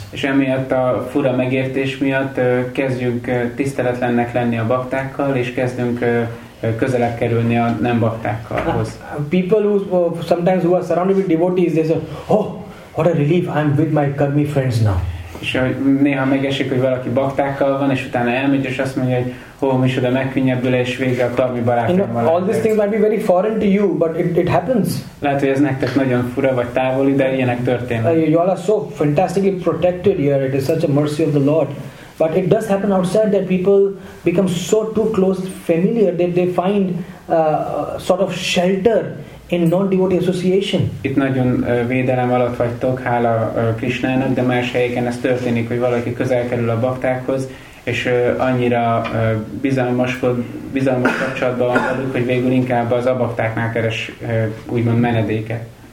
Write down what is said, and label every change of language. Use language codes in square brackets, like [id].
[hu] És emiatt a fura megértés miatt kezdjük tiszteletlennek lenni a baktákkal, és kezdünk közelebb kerülni a nem baktákkalhoz. [en] People who sometimes who are surrounded with devotees, they say, oh, what a relief, I'm with my karmi friends now. [hu] És néha megesik, hogy valaki baktákkal van, és utána elmegy, és azt mondja, hogy micsoda megkönnyebbül, és végre a karmi barátommal. [en] All these things might be very foreign to you, but it happens. [hu] Lehet, hogy ez nektek nagyon fura vagy távoli, de ilyenek történnek. [en] You all are so fantastically protected here. It is such a mercy of the Lord. But it does happen outside that people become so too close familiar that they find sort of shelter in non-devotee association. [hu] Itt nagyon védelem alatt vagytok, hála Krishnának, de más helyeken ez történik, hogy valaki közel kerül a baktákhoz, és annyira bizalmas kapcsolatban vagyunk, hogy végül inkább az abaktáknál keres úgymond menedéket.